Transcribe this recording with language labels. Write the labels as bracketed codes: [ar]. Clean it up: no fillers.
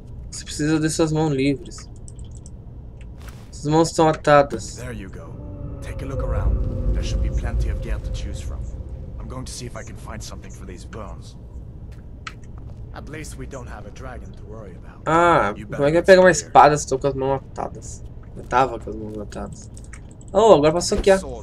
[pt] Você precisa de suas mãos livres. Suas mãos estão atadas. [en] Take a look around. There should be plenty of gear to choose from. I'm going to see if I can find something for these bones. At least we don't have a dragon to worry about. [pt] Ah, como é que eu pego uma espada se estou com as mãos atadas? Eu tava com as mãos atadas. Oh, agora posso saquear.